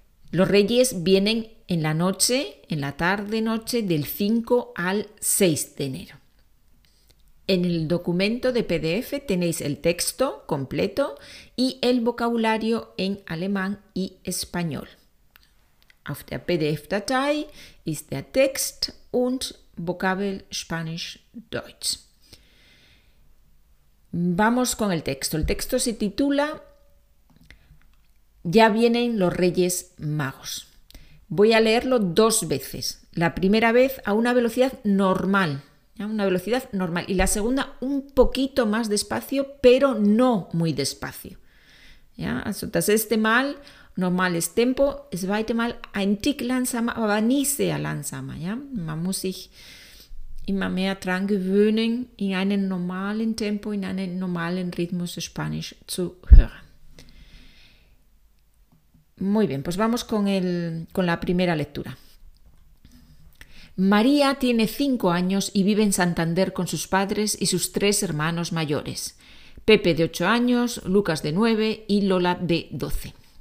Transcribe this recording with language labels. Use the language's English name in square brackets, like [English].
[Spanish] Los reyes vienen en la noche, en la tarde-noche, del 5 al 6 de enero. En el documento de PDF tenéis el texto completo y el vocabulario en alemán y español. [German] Auf der PDF-Datei ist der Text und Vokabel Spanisch-Deutsch. [Spanish] Vamos con el texto. El texto se titula Ya vienen los Reyes Magos. Voy a leerlo dos veces. La primera vez a una velocidad normal. ¿Ya? Una velocidad normal. Y la segunda un poquito más despacio, pero no muy despacio. [German] ¿Ya? Also, das erste Mal, normales tempo. Das zweite Mal, ein Tick langsamer, aber nicht sehr langsamer. ¿Ya? Man muss sich immer mehr dran gewöhnen, in einem normalen Tempo, in einem normalen Rhythmus Spanisch zu hören. [Spanish] Muy bien, pues vamos con la primera lectura. María tiene 5 años y vive en Santander con sus padres y sus 3 hermanos mayores, Pepe de 8 años, Lucas de 9 y Lola de 12.